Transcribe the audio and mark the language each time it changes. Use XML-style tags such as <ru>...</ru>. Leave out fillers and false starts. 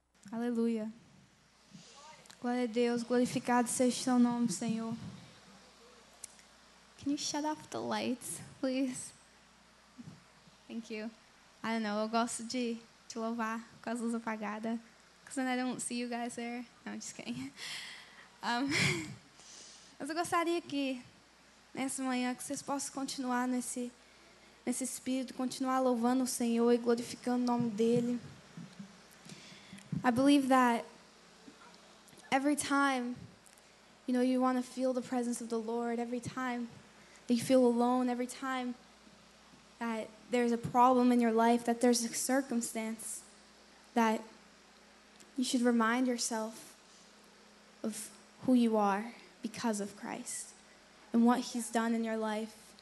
<pt>Aleluia. Glória a Deus. Glorificado seja o seu nome, Senhor.</pt> <en>Can you shut off the lights, please? Thank you. I don't know.</en> <pt>Eu gosto de louvar com as luzes apagadas.</pt> <en>Because then I don't see you guys there. No, I'm just kidding.</en> <pt>Mas eu gostaria que, nessa manhã, que vocês possam continuar nesse espírito, continuar louvando o Senhor e glorificando o nome dEle.</pt> <en>I believe that every time, you know, you want to feel the presence of the Lord, every time that you feel alone, every time that there's a problem in your life, that there's a circumstance that you should remind yourself of who you are because of Christ and what he's done in your life.</en>